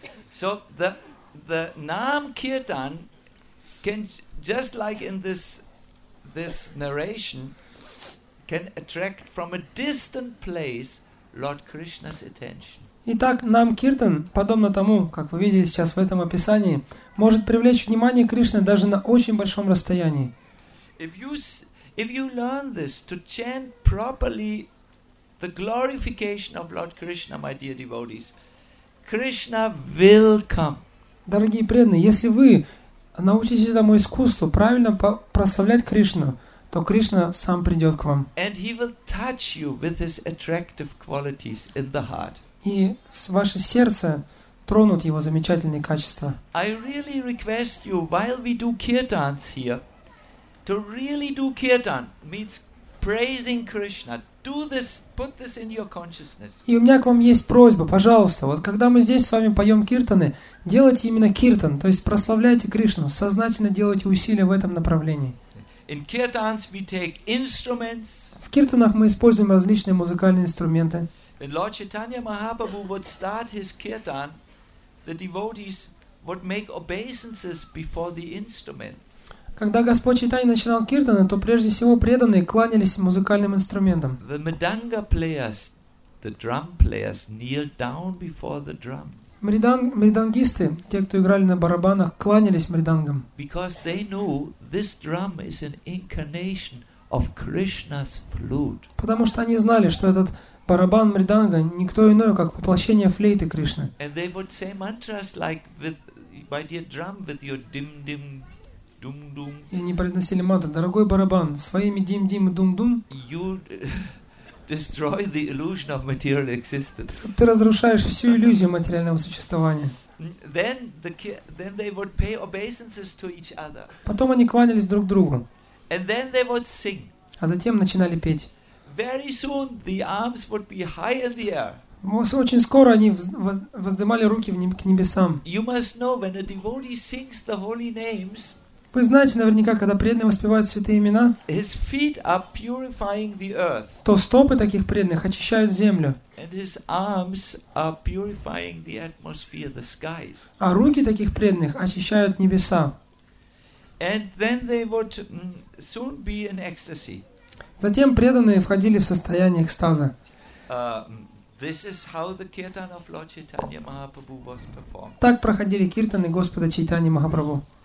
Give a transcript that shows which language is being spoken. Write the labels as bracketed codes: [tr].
[en] So the Naam Kirtan can just like in this narration can attract from a distant place Lord Krishna's attention. [ru] Итак, Нам Киртан, подобно тому, как вы видели сейчас в этом описании, может привлечь внимание Кришны даже на очень большом расстоянии. [en] If you learn this to chant properly the glorification of Lord Krishna, my dear devotees, Krishna will come. [ru] Дорогие преданные, если вы научитесь этому искусству правильно прославлять Кришну, то Кришна сам придет к вам. [en] And he will touch you with his attractive qualities in the heart. [ru] И ваше сердце тронут его замечательные качества. [en] I really request you, while we do kirtans here, to really do kirtan, means praising Krishna. Do this, put this in your consciousness. [ru] И у меня к вам есть просьба, пожалуйста, вот когда мы здесь с вами поем киртаны, делайте именно киртан, то есть прославляйте Кришну, сознательно делайте усилия в этом направлении. [en] In kirtans we take instruments. [ru] В киртанах мы используем различные музыкальные инструменты. [en] When Lord Chaitanya Mahaprabhu would start his kirtan, the devotees would make obeisances before the instrument. [ru] Когда Господь Чайтанья начинал киртаны, то прежде всего преданные кланялись музыкальным инструментам. [en] The mridanga players, the drum players, kneeled down before the drum. [ru] Мридангисты, те, кто играли на барабанах, кланялись мридангам. [en] Because they knew this drum is an incarnation of Krishna's flute. [ru] Потому что они знали, что этот барабан мриданга никто иной, как воплощение флейты Кришны. [en] And they would say mantras like with my dear drum with your dim dim dum dum. [ru] И они произносили мантру: дорогой барабан, своими dim dim dum dum. [en] You destroy the illusion of material existence. [ru] Ты разрушаешь всю иллюзию материального существования. [en] then they would pay obeisances to each other. [ru] Потом они кланялись друг другу. [en] And then they would sing. [ru] А затем начинали петь. [en] Very soon the arms would be high in the air. [ru] Очень скоро они воздымали руки к небесам. [en] You must know when a devotee sings the holy names. [ru] Вы знаете наверняка, когда преданные воспевают святые имена, [en] his feet are purifying the earth. [ru] То стопы таких преданных очищают землю. [en] And his arms are purifying the atmosphere, the skies. [ru] А руки таких преданных очищают небеса. [en] And then they would soon be in ecstasy. [ru] Затем преданные входили в состояние экстаза. [en] This is how the kirtan of Lord Chaitanya Mahaprabhu was performed. [ru] Так проходили киртаны Господа Чайтаньи Махапрабху.